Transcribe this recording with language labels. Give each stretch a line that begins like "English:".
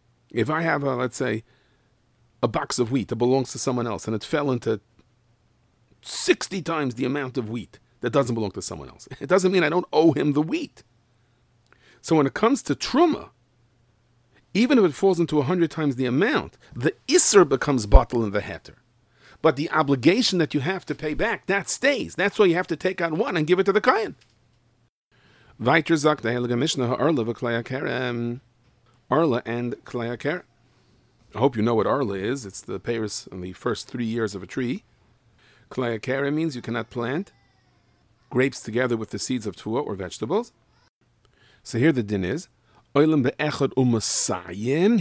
English: If I have, a box of wheat that belongs to someone else, and it fell into 60 times the amount of wheat that doesn't belong to someone else, it doesn't mean I don't owe him the wheat. So when it comes to truma, even if it falls into 100 times the amount, the iser becomes batel in the heter. But the obligation that you have to pay back, that stays. That's why you have to take out one and give it to the kohen.
German: Weiter sagt der Heilige Mishnah, Arla v'klayakerem.
English: Arla and klayakerem. I hope you know what Arla is. It's the pears in the first 3 years of a tree. Klayakerem means you cannot plant grapes together with the seeds of tua or vegetables. So here the din is.
Hebrew: Oilem be'echad umasayim.